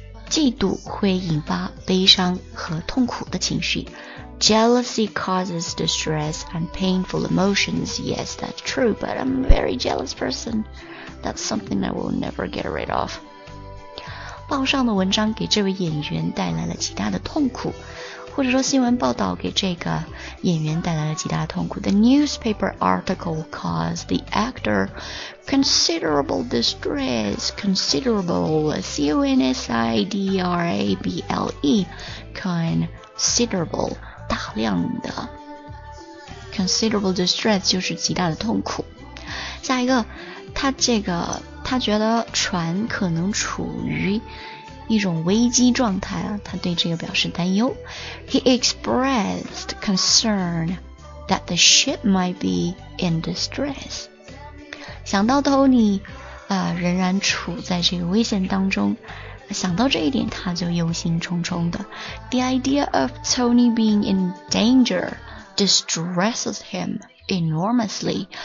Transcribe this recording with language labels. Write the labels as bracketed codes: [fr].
[zh] 嫉妒会引发悲伤和痛苦的情绪。 [en] Jealousy causes distress and painful emotions. Yes, that's true, but I'm a very jealous person. That's something I will never get rid of. [zh] 报上的文章给这位演员带来了极大的痛苦。或者说新闻报道给这个演员带来了极大的痛苦。 [en] The newspaper article caused the actor considerable distress. Considerable, C-O-N-S-I-D-R-A-B-L-E. [zh] Considerable, 大量的。 [en] Considerable distress [zh] 就是极大的痛苦。下一个，他觉得船可能处于一种危机状态啊，他对这个表示担忧。 [en] He expressed concern that the ship might be in distress. [zh] 想到头你仍然处在这个危险当中，想到这一点他就忧心忡忡的。 [en] The idea of Tony being in danger distresses him enormously.